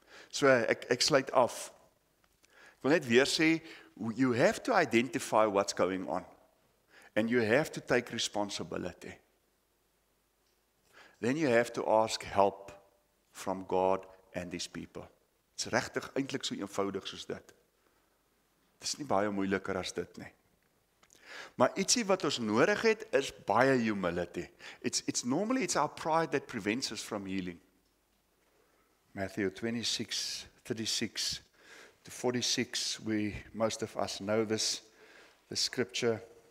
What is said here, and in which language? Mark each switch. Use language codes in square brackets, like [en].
[af] So, ek sluit af. Ek wil net weer sê, [en] you have to identify what's going on. And you have to take responsibility. Then you have to ask help from God and his people. [af] It's regtig eintlik so eenvoudig soos dit. Dit is nie baie moeiliker as dit nie. Maar ietsie wat ons nodig het, is baie humility. [en] It's normally, it's our pride that prevents us from healing. Matthew 26, 36 to 46, we, most of us know this scripture.